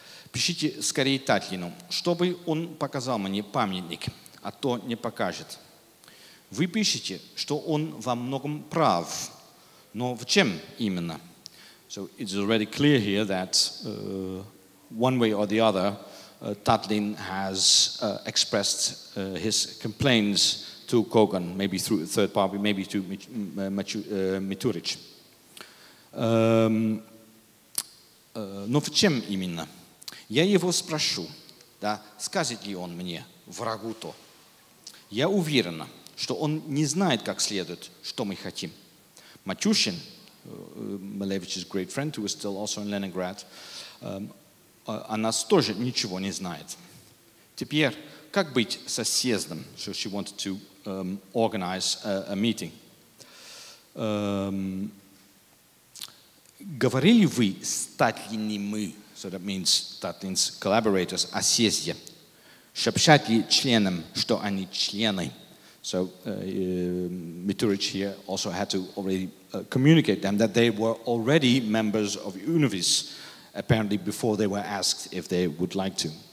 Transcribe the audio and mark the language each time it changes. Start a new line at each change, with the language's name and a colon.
Russian: Пишите скорее Татлину, чтобы он показал мне памятник, а то не покажет. Вы пишете, что он во многом прав, но в чем именно?
English: So it's already clear here that one way or the other, Татлин has expressed his complaints to Kogan, maybe through a third party, maybe to Miturich.
Russian: Но в чем именно? Я его спрошу, да, скажет ли он мне врагу то? Я уверена, что он не знает как следует, что мы хотим.
English: Матюшин, Малевич's great friend, who is still also in Leningrad,
Russian: о нас тоже ничего не знает. Теперь, как быть со съездом?
English: So she wanted to organize a meeting.
Russian: Говорили вы с Татлиными,
English: so that means Татлин's collaborators,
Russian: о съезде? Шепчат ли членам, что они члены?
English: So Miturich here also had to already communicate them that they were already members of Univis, apparently before they were asked if they would like to.